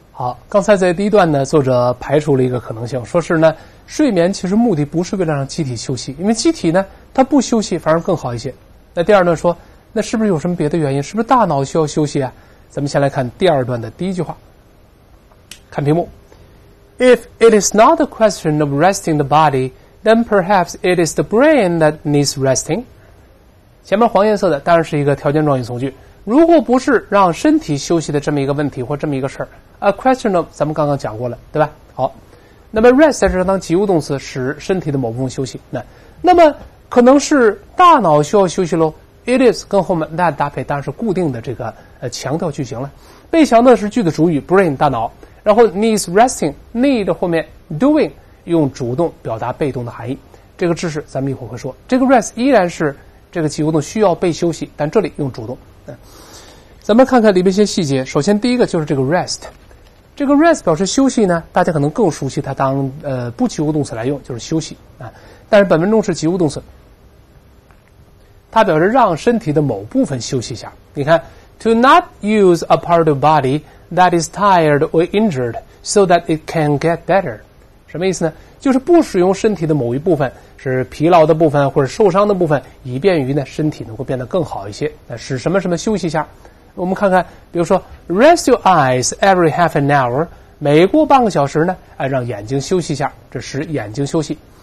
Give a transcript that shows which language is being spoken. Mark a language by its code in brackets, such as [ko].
[zh] 好，刚才在第一段呢作者排除了一个可能性，说是呢睡眠其实目的不是为了让机体休息，因为机体呢它不休息反而更好一些。那第二段说，那是不是有什么别的原因，是不是大脑需要休息啊？咱们先来看第二段的第一句话，看屏幕。 [en] If it is not a question of resting the bodyThen perhaps it is the brain that needs resting。 [zh] 前面黄颜色的当然是一个条件状语从句，如果不是让身体休息的这么一个问题或这么一个事儿 ， [en] a question of [zh] 咱们刚刚讲过了，对吧？好，那么 rest 在这当及物动词，使身体的某部分休息。那么可能是大脑需要休息咯。 [en] It is [zh] 跟后面 that 搭配当然是固定的这个强调句型了，被强调的是句的主语 brain 大脑，然后 needs resting need 后面 doing用主动表达被动的含义，这个知识咱们一会儿会说。这个 rest 依然是这个及物动词需要被休息，但这里用主动。咱们看看里面一些细节。首先第一个就是这个 rest， 这个 rest 表示休息呢，大家可能更熟悉它当不及物动词来用，就是休息啊。但是本文中是及物动词，它表示让身体的某部分休息一下。你看 [en] ，to not use a part of body that is tired or injured so that it can get better。 [zh] 什么意思呢？就是不使用身体的某一部分，是疲劳的部分或者受伤的部分，以便于呢身体能够变得更好一些。那使什么什么休息一下？我们看看，比如说 ， [en] rest your eyes every half an hour， [zh] 每过半个小时呢，让眼睛休息一下，这使眼睛休息。